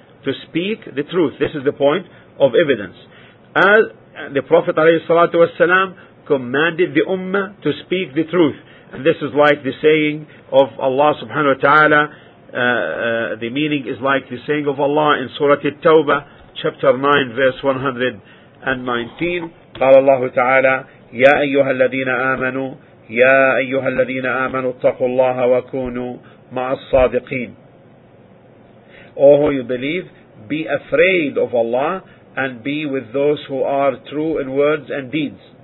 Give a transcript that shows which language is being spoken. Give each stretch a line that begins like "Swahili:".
English: To speak the truth. This is the point of evidence. As the Prophet ﷺ commanded the ummah to speak the truth. And this is like the saying of Allah subhanahu wa ta'ala. The meaning is like the saying of Allah in Surah At-Tawbah, Chapter 9, verse 119.
Arabic: قال الله تعالى يا أيها الذين آمنوا يا أيها الذين آمنوا اتقوا الله وكونوا مع الصادقين.
English: O who you believe, be afraid of Allah and be with those who are true in words and deeds.